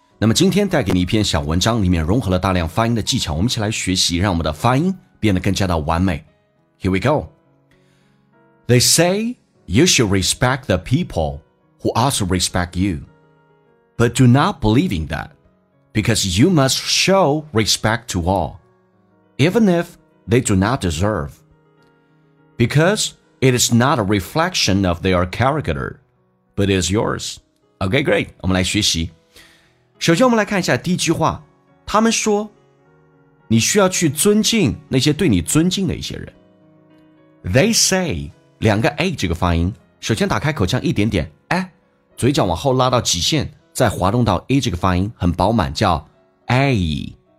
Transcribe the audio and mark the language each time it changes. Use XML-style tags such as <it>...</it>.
<zh>那么今天带给你一篇小文章，里面融合了大量发音的技巧，我们一起来学习，让我们的发音变得更加的完美。</zh> <en>Here we go. They say you should respect the people who also respect you, but do not believe in that, because you must show respect to all, even if they do not deserve, because it is not a reflection of their character. But it's yours. Okay, great.</en> <zh>我们来学习。首先我们来看一下第一句话。他们说你需要去尊敬那些对你尊敬的一些人。</zh> <en>They say,</en> <zh>两个 A 这个发音。首先打开口腔一点点，哎，嘴角往后拉到极限，再滑动到 A 这个发音，很饱满，叫 A。</zh>